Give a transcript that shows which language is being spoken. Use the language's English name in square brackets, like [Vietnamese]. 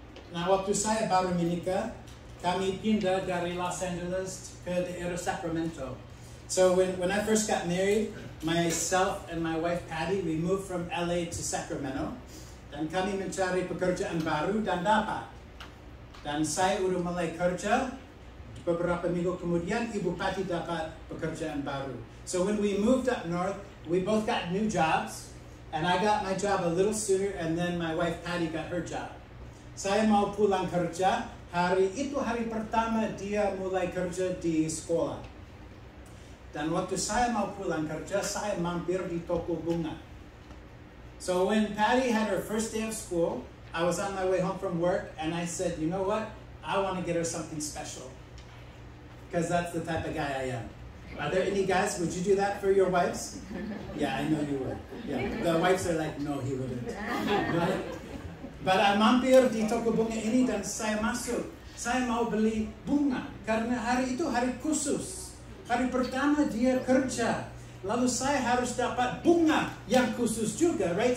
[Indonesian] Nah, waktu saya baru menikah, kami pindah dari Los Angeles ke daerah Sacramento. [English] So when I first got married, myself and my wife Patty, we moved from LA to Sacramento. [Indonesian] Dan kami mencari pekerjaan baru dan dapat. Dan saya udah mulai kerja. Beberapa minggu kemudian, Ibu Patty dapat pekerjaan baru. [English] So when we moved up north, we both got new jobs. And I got my job a little sooner, and then my wife Patty got her job. [Indonesian] Saya mau pulang kerja. Hari pertama dia mulai kerja di sekolah. Dan waktu saya mau pulang kerja, saya mampir di toko bunga. [English] So when Patty had her first day of school, I was on my way home from work, and I said, you know what? I want to get her something special. Because that's the type of guy I am. Are there any guys, would you do that for your wives? Yeah, I know you would. Yeah. The wives are like, no, he wouldn't. But, But I [Indonesian] mampir di toko bunga ini dan saya masuk. Saya mau beli bunga karena hari itu hari khusus. Hari pertama dia kerja. Lalu saya harus dapat bunga yang khusus juga, right?